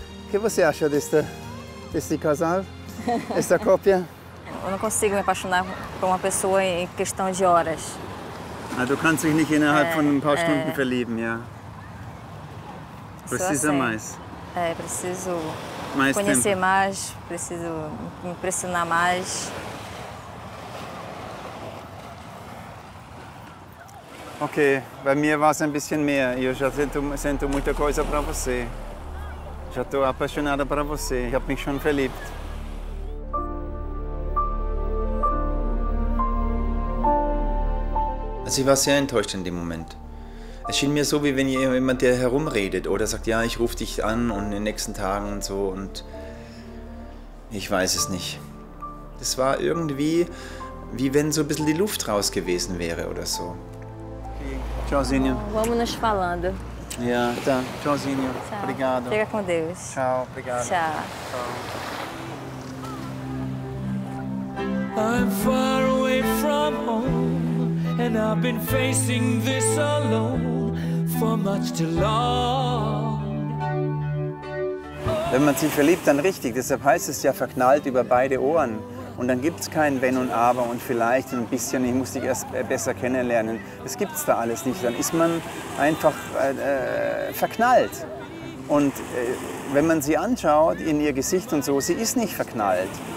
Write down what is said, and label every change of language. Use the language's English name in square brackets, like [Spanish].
[Portuguese] Che você acha deste casal? [Italian] Esta coppia? [Portuguese] Eu não consigo me apaixonar por uma pessoa em questão de horas. [German] Ah, du kannst dich nicht innerhalb von ein paar Stunden verlieben, ja. [Portuguese] Precisa assim. Mais. É, preciso mais conhecer tempo. Mais, preciso me impressionar mais. [German] Ok, bei mir war es ein bisschen mehr. [Portuguese] Eu já sinto muita coisa para você. Já estou apaixonada para você. [German] Ich habe mich schon verliebt. Sie war sehr enttäuscht in dem Moment. Es schien mir so, wie wenn jemand dir herumredet oder sagt, ja, ich rufe dich an und in den nächsten Tagen und so. Und ich weiß es nicht. Es war irgendwie, wie wenn so ein bisschen die Luft raus gewesen wäre oder so. [Portuguese] Okay. Ciao, Zinho. Vamos nos falando. [German] Ja, dann. Ciao, Zinho. Obrigado. [Portuguese] Fica com Deus. Ciao, obrigado. Ciao. [English] I'm far away from home. And I've been facing this alone for much too long. [German] Wenn man sich verliebt, dann richtig. Deshalb heißt es ja verknallt über beide Ohren. Und dann gibt es kein Wenn und Aber und vielleicht ein bisschen, ich muss dich erst besser kennenlernen. Das gibt es da alles nicht. Dann ist man einfach verknallt. Und wenn man sie anschaut in ihr Gesicht und so, sie ist nicht verknallt.